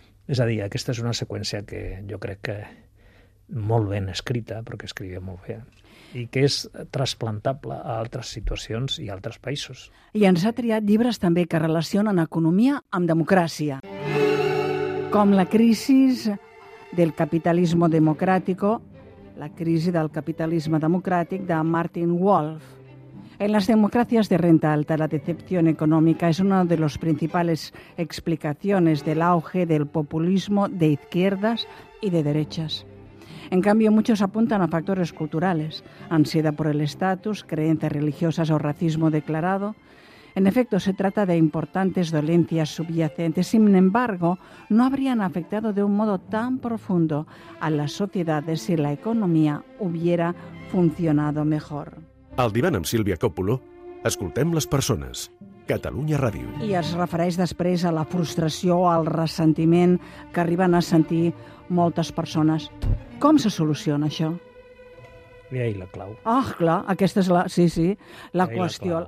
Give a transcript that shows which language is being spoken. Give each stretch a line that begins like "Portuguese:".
Catalan: És a dir, aquesta és una seqüència que jo crec que molt ben escrita, perquè escrivia molt bé, i que és trasplantable a altres situacions i altres països. I ens ha triat llibres també que relacionen economia amb democràcia. Com la crisi del capitalisme democràtic, La crisi del capitalisme democràtic, de Martin Wolf.
Spanish: En las democracias de renta alta, la decepción económica es una de las principales explicaciones del auge del populismo de izquierdas y de derechas. En cambio, muchos apuntan a factores culturales, ansiedad por el estatus, creencias religiosas o racismo declarado. En efecto, se trata de importantes dolencias subyacentes. Sin embargo, no habrían afectado de un modo tan profundo a las sociedades si la economía hubiera funcionado mejor.
Catalan: Al divan amb Sílvia Còpolo, escoltem les persones. Catalunya Ràdio. I es refereix després a la frustració, al ressentiment que arriben a sentir moltes persones. Com se soluciona això? Hi ha la clau. Ah, clar, aquesta és la... Sí, sí, la qüestió.